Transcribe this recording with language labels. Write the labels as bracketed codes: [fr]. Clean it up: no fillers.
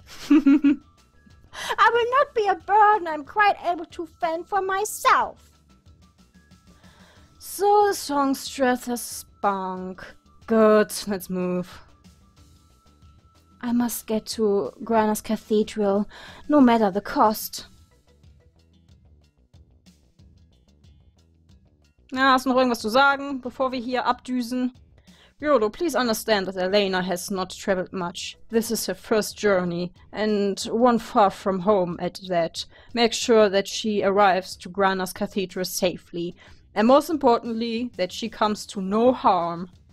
[en] I will not be a burden. I'm quite able to fend for myself. So the songstress has spunk. Good, let's move. I must get to Grandia's cathedral, no matter the cost. [de] Na, hast du noch irgendwas zu sagen, bevor wir hier abdüsen? [en] Yodo, please understand that Elena has not traveled much. This is her first journey, and one far from home at that. Make sure that she arrives to Grandia's cathedral safely. And most importantly, that she comes to no harm.